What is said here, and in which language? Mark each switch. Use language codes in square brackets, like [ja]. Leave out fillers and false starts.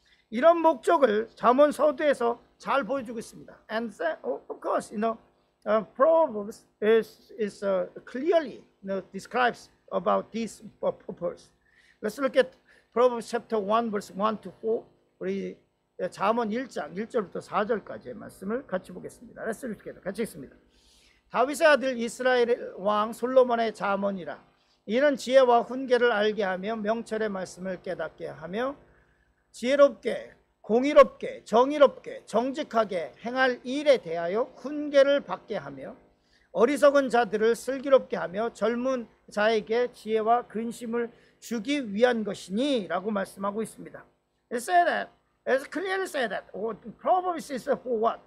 [ko] 이런 목적을 잠언서두에서 잘 보여주고 있습니다. [en] And of course, you know. Proverbs is clearly you know, describes about this purpose. Let's look at Proverbs chapter 1 verse 1 to 4. [ko] 우리 잠언 1장 1절부터 4절까지의 말씀을 같이 보겠습니다. [en] Let's read together. [ko] 같이 읽습니다. 다윗의 아들 이스라엘 왕 솔로몬의 잠언이라. 이는 지혜와 훈계를 알게 하며 명철의 말씀을 깨닫게 하며 지혜롭게, 공의롭게, 정의롭게, 정직하게 행할 일에 대하여 훈계를 받게 하며 어리석은 자들을 슬기롭게 하며 젊은 자에게 지혜와 근심을 주기 위한 것이니 라고 말씀하고 있습니다. [en] It said that, it's clearly said that, oh, Proverbs is for what?